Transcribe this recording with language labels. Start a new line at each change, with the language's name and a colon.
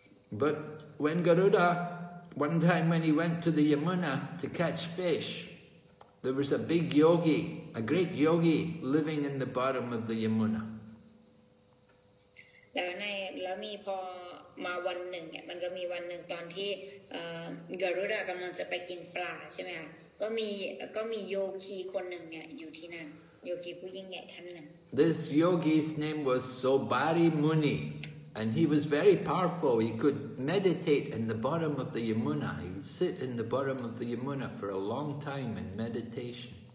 English: But when Garuda one time when he went to the Yamuna to catch fish there was a big yogi a great yogi living in the bottom of the Yamuna
Thai: แล้วมีพอมาวันหนึ่งเนี่ยมันก็มีวันหนึ่งตอนที่Garuda กำลังจะไปกินปลาใช่ไหมคะก็มีโยคีคนหนึ่งเนี่ยอยู่ที่นั่นโยคีผู้ยิ่งใหญ่ท่านนั้น
English: This yogi's name was Sobari Muni and he was very powerful he could meditate in the bottom of the Yamuna he would sit in the bottom of the Yamuna for a long time in meditation